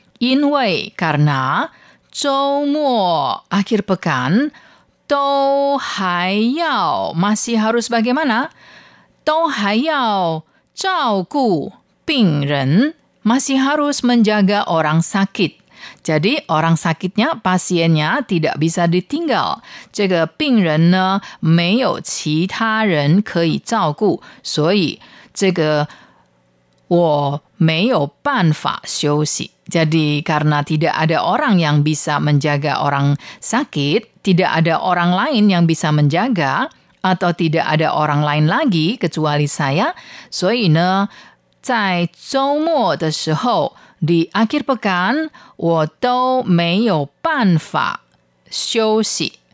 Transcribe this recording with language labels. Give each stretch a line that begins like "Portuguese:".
Indonesian: 因为, karena 周末, akhir pekan, 都还要, masih harus bagaimana?
Chinese: 都还要照顾病人,
Indonesian: masih harus menjaga orang sakit. Jadi orang sakitnya, pasiennya tidak bisa ditinggal.
Chinese: 这个病人呢, 没有其他人可以照顾, 所以, 这个, 我没有办法休息.
Indonesian: Jadi karena tidak ada orang yang bisa menjaga orang sakit, tidak ada orang lain yang bisa menjaga, atau tidak ada orang lain lagi kecuali saya,
Chinese: 所以呢, 在周末的时候,
Indonesian: di akhir pekan,
Chinese: 我都没有办法休息.